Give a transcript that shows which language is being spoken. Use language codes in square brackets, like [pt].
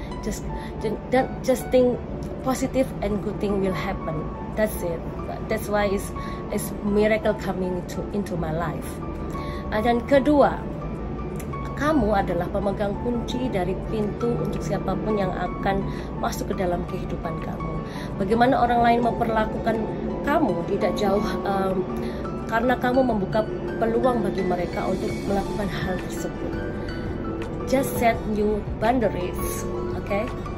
[en] Just think positive and good thing will happen. That's it. That's why it's miracle coming into my life. [id] Dan kedua, kamu adalah pemegang kunci dari pintu untuk siapapun yang akan masuk ke dalam kehidupan kamu. Bagaimana orang lain memperlakukan kamu tidak jauh karena kamu membuka peluang bagi mereka untuk melakukan hal tersebut. [en] Just set new boundaries, okay?